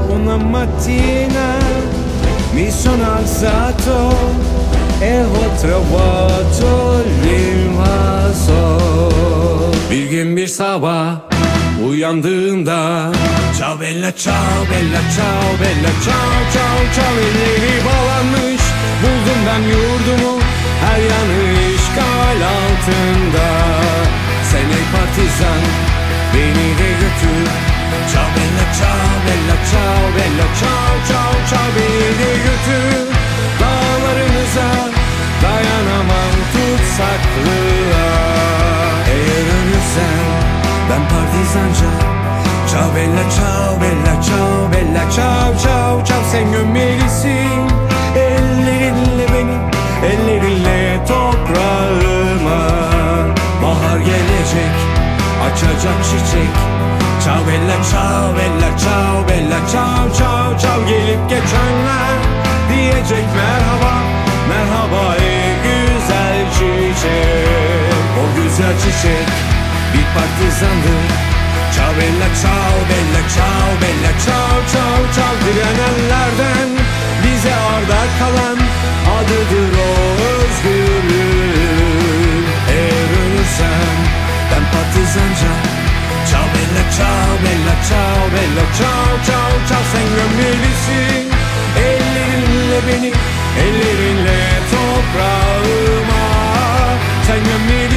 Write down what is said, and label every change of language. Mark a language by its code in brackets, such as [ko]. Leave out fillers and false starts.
[it] Una mattina mi sono alzato e ho trovato l'invaso. [tr] Bir gün bir sabah uyandığında, [it] ciao bella ciao, bella ciao, bella ciao, ciao, [tr] ciao. Elleri bağlanmış, buldum ben yurdumu, her yanı işgal altında. Sen ey partizan, beni de götür. [it] Ciao bella ciao, bella ciao, bella ciao, ciao, ciao. [tr] Beni de götür dağlarımıza, dayanamam tutsaklığa. Eğer ölürsen ben partizanca, [it] ciao bella ciao, bella ciao, bella ciao, ciao, [tr] ciao. Sen gömmelisin ellerinle beni, ellerinle toprağıma. Bahar gelecek, açacak çiçek. [it] Ciao bella ciao, bella ciao, bella ciao, ciao, ciao. [tr] Gelip geçenler diyecek merhaba, merhaba ey güzel çiçek. O güzel çiçek bir partizandı. [it] Ciao bella ciao, bella ciao, bella ciao, ciao, ciao. [tr] Direnenlerden bize arda kalan adıdır o özgürlüğün. Eğer ölürsem ben partizanca, [it] ciao bella ciao, bella ciao, bella ciao, ciao, [tr] ciao. Sen gömmelisin ellerinle beni, ellerinle toprağıma. Sen gömmelisin.